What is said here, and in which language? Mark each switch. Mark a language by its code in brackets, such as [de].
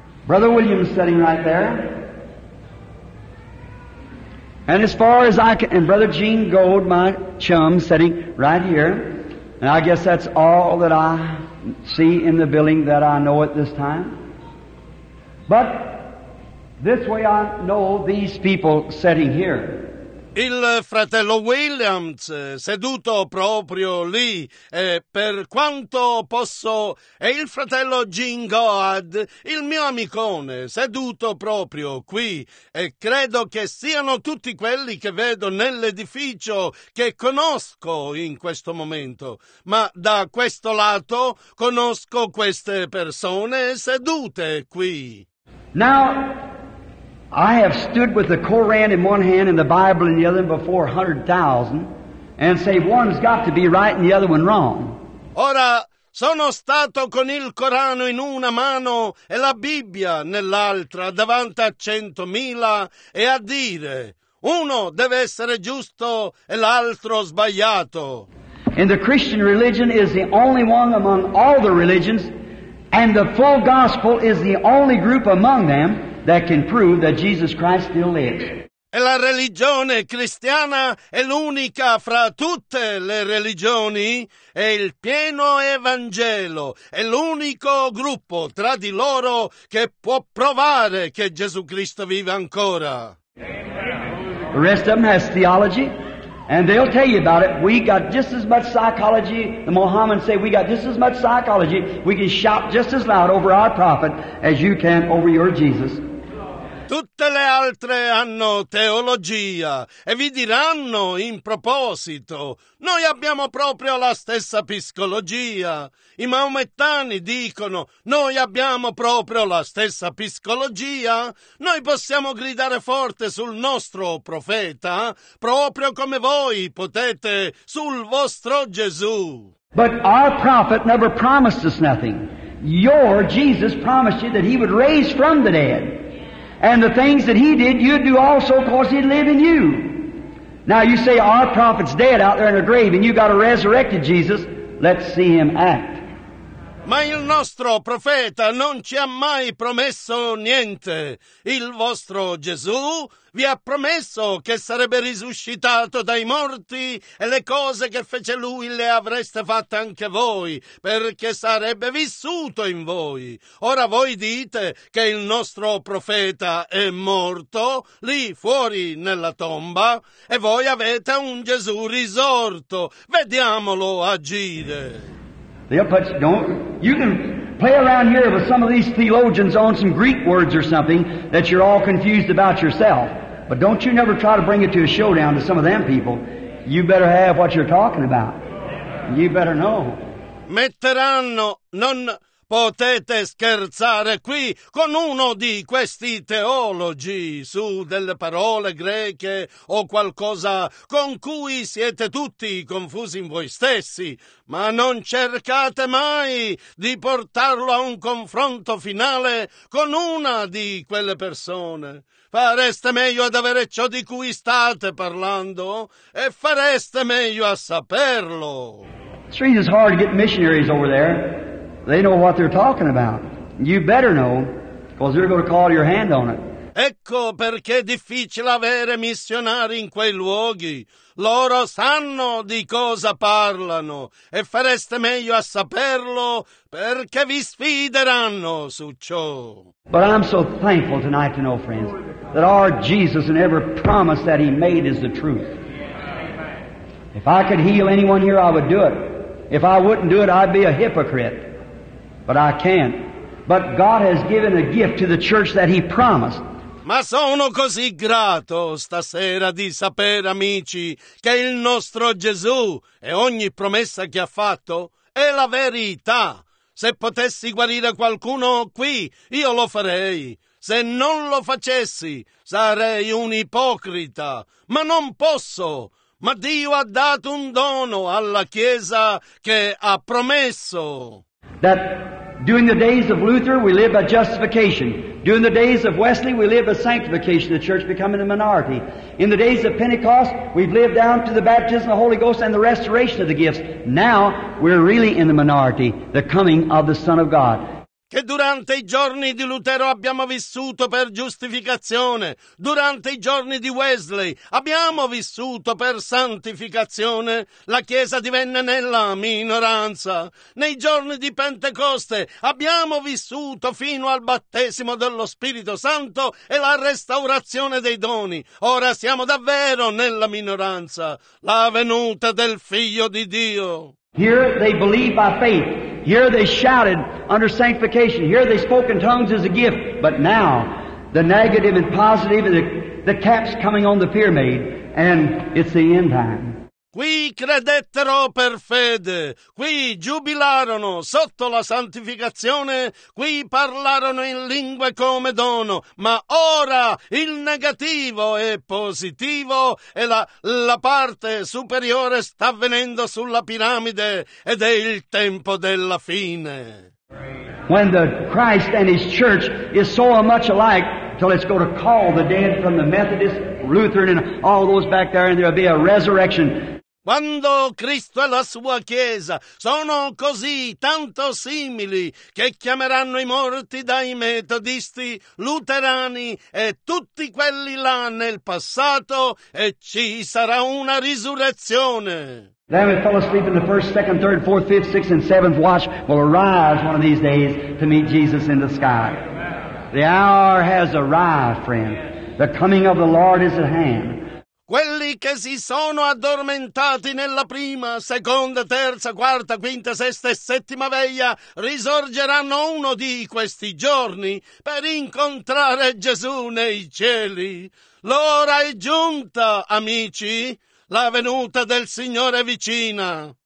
[en] Brother William is sitting right there. And as far as I can, and Brother Gene Gold, my chum, sitting right here. And I guess that's all that I see in the building that I know at this time. But this way I know these people sitting here. [it] Il fratello Williams, seduto proprio lì, per quanto posso, e il fratello Gene Goad, il mio amicone, seduto proprio qui, e credo che siano tutti quelli che vedo nell'edificio che conosco in questo momento. Ma da questo lato conosco queste persone sedute qui. [en] Now, I have stood with the Koran in one hand and the Bible in the other before 100,000 and say one's got to be right and the other one wrong. [it] Ora, sono stato con il Corano in una mano e la Bibbia nell'altra davanti a 100,000 e a dire uno deve essere giusto e l'altro sbagliato. [en] And the Christian religion is the only one among all the religions, and the full gospel is the only group among them that can prove that Jesus Christ still lives. [it] E la religione cristiana è l'unica fra tutte le religioni, e il pieno evangelo è l'unico gruppo tra di loro che può provare che Gesù Cristo vive ancora. [en] The rest of them has theology, and they'll tell you about it. We got just as much psychology. The Mohammedans say we got just as much psychology. We can shout just as loud over our prophet as you can over your Jesus. [it] Tutte le altre hanno teologia e vi diranno in proposito, noi abbiamo proprio la stessa psicologia. I maomettani dicono, noi abbiamo proprio la stessa psicologia. Noi possiamo gridare forte sul nostro profeta, proprio come voi potete sul vostro Gesù. [en] But our prophet never promised us nothing. Your Jesus promised you that he would raise from the dead. And the things that he did, you'd do also, because he'd live in you. Now you say our prophet's dead out there in a grave, and you got a resurrected Jesus. Let's see him act. [it] Ma il nostro profeta non ci ha mai promesso niente. Il vostro Gesù vi ha promesso che sarebbe risuscitato dai morti, e le cose che fece lui le avreste fatte anche voi, perché sarebbe vissuto in voi. Ora voi dite che il nostro profeta è morto lì fuori nella tomba, e voi avete un Gesù risorto. Vediamolo agire. [en] They'll put you, don't, you can play around here with some of these theologians on some Greek words or something that you're all confused about yourself. But don't you never try to bring it to a showdown to some of them people. You better have what you're talking about. You better know. [it] Metteranno, non potete scherzare qui con uno di questi teologi su delle parole greche o qualcosa con cui siete tutti confusi in voi stessi, ma non cercate mai di portarlo a un confronto finale con una di quelle persone. Fareste meglio ad avere ciò di cui state parlando e fareste meglio a saperlo. [en] It's really hard to get missionaries over there. They know what they're talking about. You better know, because they're going to call your hand on it. [it] Ecco perché è difficile avere missionari in quei luoghi. Loro sanno di cosa parlano, e fareste meglio a saperlo, perché vi sfideranno su ciò. [en] But I'm so thankful tonight to know, friends, that our Jesus and every promise that He made is the truth. If I could heal anyone here, I would do it. If I wouldn't do it, I'd be a hypocrite. But I can't. But God has given a gift to the church that He promised. [it] Ma sono così grato stasera di sapere, amici, che il nostro Gesù e ogni promessa che ha fatto è la verità. Se potessi guarire qualcuno qui, io lo farei. Se non lo facessi, sarei un ipocrita. Ma non posso. Ma Dio ha dato un dono alla Chiesa che ha promesso. [en] That during the days of Luther, we live by justification. During the days of Wesley, we live by sanctification, the church becoming a minority. In the days of Pentecost, we've lived down to the baptism of the Holy Ghost and the restoration of the gifts. Now, we're really in the minority, the coming of the Son of God. [it] Che durante i giorni di Lutero abbiamo vissuto per giustificazione, durante i giorni di Wesley abbiamo vissuto per santificazione, la Chiesa divenne nella minoranza, nei giorni di Pentecoste abbiamo vissuto fino al battesimo dello Spirito Santo e la restaurazione dei doni, ora siamo davvero nella minoranza, la venuta del Figlio di Dio. [en] Here they believe by faith. Here they shouted under sanctification. Here they spoke in tongues as a gift. But now, the negative and positive, the cap's coming on the pyramid, and it's the end time. [it] Qui credettero per fede, qui giubilarono sotto la santificazione, qui parlarono in lingue come dono, ma ora il negativo è positivo e la parte superiore sta venendo sulla piramide ed è il tempo della fine. [en] When the Christ and His church is so much alike, till it's going to call the dead from the Methodist, Lutheran and all those back there and there'll be a resurrection. [it] Quando Cristo e la sua Chiesa sono così tanto simili che chiameranno i morti dai metodisti, luterani e tutti quelli là nel passato e ci sarà una risurrezione. [en] Then we fell asleep in the first, second, third, fourth, fifth, sixth and seventh watch will arise one of these days to meet Jesus in the sky. The hour has arrived, friend. The coming of the Lord is at hand. [it] Quelli che si sono addormentati nella prima, seconda, terza, quarta, quinta, sesta e settima veglia risorgeranno uno di questi giorni per incontrare Gesù nei cieli. L'ora è giunta, amici, la venuta del Signore è vicina.